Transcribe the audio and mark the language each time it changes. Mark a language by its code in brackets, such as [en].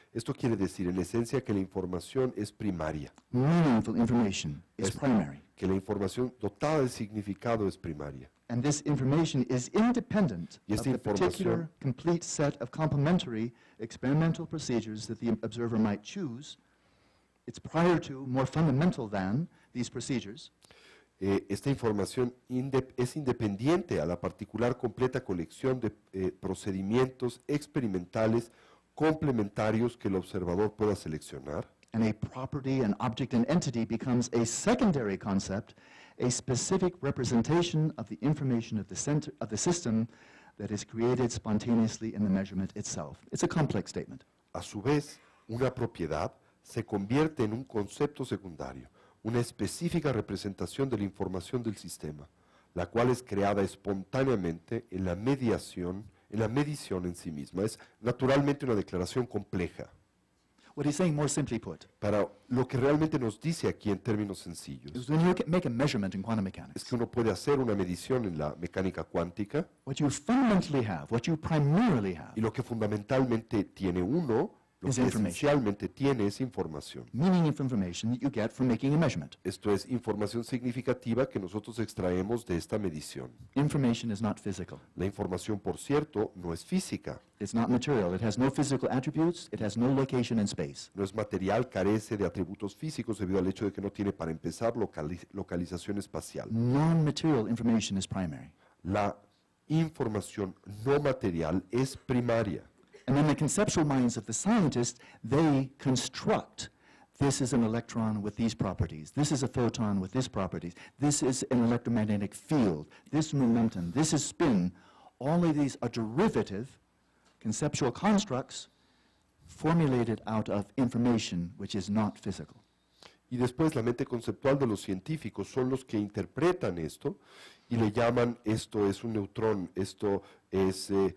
[es] Esto quiere decir, en esencia, que la información es primaria. [en] Meaningful information is primary. [es] Que la información dotada de significado es primaria. [en] And this information is independent of the particular complete set of complementary experimental procedures that the observer might choose. It's prior to, more fundamental than, these procedures. [es] esta información es independiente a la particular completa colección de procedimientos experimentales complementarios que el observador pueda seleccionar. [en] And a property, an object, an entity becomes a secondary concept, a specific representation of the information of the center of the system that is created spontaneously in the measurement itself. It's a complex statement. [es] A su vez, una propiedad se convierte en un concepto secundario, una específica representación de la información del sistema, la cual es creada espontáneamente en la mediación, en la medición en sí misma. Es naturalmente una declaración compleja. [en] What he's saying, more simply put, [es] pero lo que realmente nos dice aquí en términos sencillos [en] is when you make a measurement in quantum mechanics, [es] es que uno puede hacer una medición en la mecánica cuántica. [en] What you fundamentally have, what you primarily have, [es] y lo que fundamentalmente tiene uno, lo que esencialmente tiene es información. [en] Meaning of information that you get from making a measurement. [es] Esto es información significativa que nosotros extraemos de esta medición. [en] Information is not physical. [es] La información, por cierto, no es física. [en] It's not material. It has no physical attributes. It has no location in space. [es] No es material, carece de atributos físicos debido al hecho de que no tiene, para empezar, localización espacial. [en] Non-material information is primary. [es] La información no material es primaria. [en] And then the conceptual minds of the scientists, they construct, this is an electron with these properties, this is a photon with this properties, this is an electromagnetic field, this momentum, this is spin. All of these are derivative conceptual constructs formulated out of information which is not physical. [es] Y después la mente conceptual de los científicos son los que interpretan esto y le llaman, esto es un neutrón, esto es...